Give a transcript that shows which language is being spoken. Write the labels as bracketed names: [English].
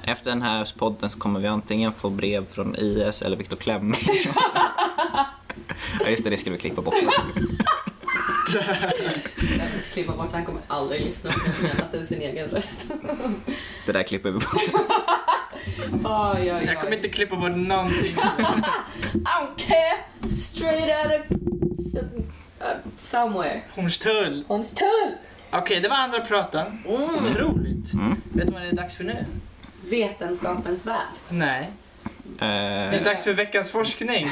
[Swedish] Efter den här podden så kommer vi antingen få brev från IS eller Viktor Kläm. Ja, just det skulle vi klippa bort. Jag vill inte klippa bort, han kommer aldrig lyssna på det, sin egen röst. Det där klipper vi bort. Jag kommer inte klippa på någonting. [English] Okay, straight out of somewhere. [Swedish] Hornstull. Okej, det var andra att prata. Otroligt. Vet du vad det är dags för nu? Vetenskapens värld. Nej. Det är dags för veckans forskning.